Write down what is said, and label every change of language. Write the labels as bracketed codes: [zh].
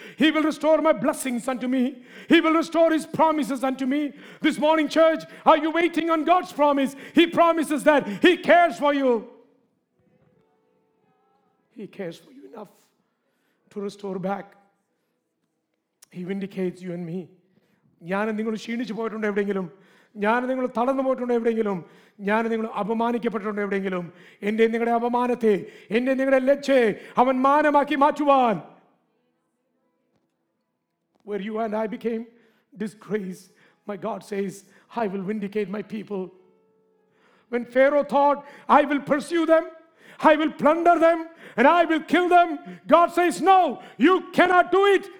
[en] He will restore my blessings unto me. He will restore his promises unto me. This morning, church, are you waiting on God's promise? He promises that he cares for you. He cares for you enough to restore back. He vindicates you and me. [ml] ഞാൻ നിങ്ങൾ ക്ഷീണിച്ചു പോയിട്ടുണ്ട് എവിടെയെങ്കിലും, ഞാൻ നിങ്ങൾ തളർന്നു പോയിട്ടുണ്ട് എവിടെയെങ്കിലും, ഞാൻ നിങ്ങൾ അപമാനിക്കപ്പെട്ടിട്ടുണ്ട് എവിടെയെങ്കിലും, എൻ്റെ നിങ്ങളുടെ അപമാനത്തെ, എൻ്റെ നിങ്ങളുടെ ലജ്ജയെ അവൻ മാനമാക്കി മാറ്റുവാൻ. [en] Where you and I became disgraced, my God says, I will vindicate my people. When Pharaoh thought, I will pursue them, I will plunder them, and I will kill them, God says, no, you cannot do it.